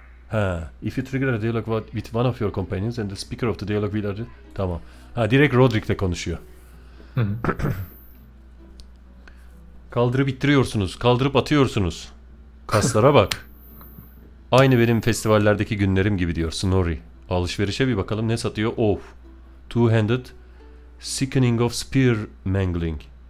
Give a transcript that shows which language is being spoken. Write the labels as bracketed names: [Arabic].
[English] Ha, if you trigger a dialogue with one of your companions and the speaker of the dialogue will address... [Turkish] Tamam. Ha, direkt Roderick'le konuşuyor. Kaldırıp ittiriyorsunuz, kaldırıp atıyorsunuz. Kaslara bak. Aynı benim festivallerdeki günlerim gibi diyor Snorri. Alışverişe bir bakalım ne satıyor. Of. [English] Two-handed Sickening of Spear Mangling.